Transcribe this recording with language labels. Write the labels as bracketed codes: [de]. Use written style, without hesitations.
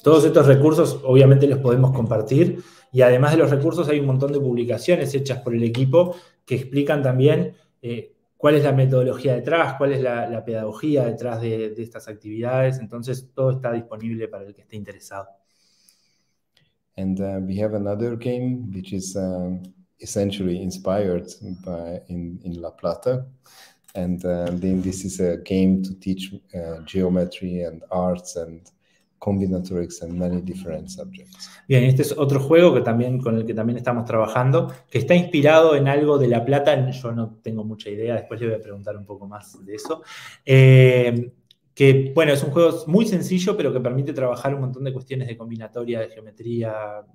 [es] Todos estos recursos obviamente los podemos compartir, y además de los recursos hay un montón de publicaciones hechas por el equipo que explican también cuál es la metodología detrás, cuál es la pedagogía detrás de estas actividades. Entonces todo está disponible para el que esté interesado. [en] And we have another game which is essentially inspired by in La Plata, and then this is a game to teach geometry and arts and combinatorics and many different subjects. [es] Bien, este es otro juego que también con el que también estamos trabajando, que está inspirado en algo de La Plata. Yo no tengo mucha idea, después le voy a preguntar un poco más de eso. Que, bueno, es un juego muy sencillo, pero que permite trabajar un montón de cuestiones de combinatoria, de geometría.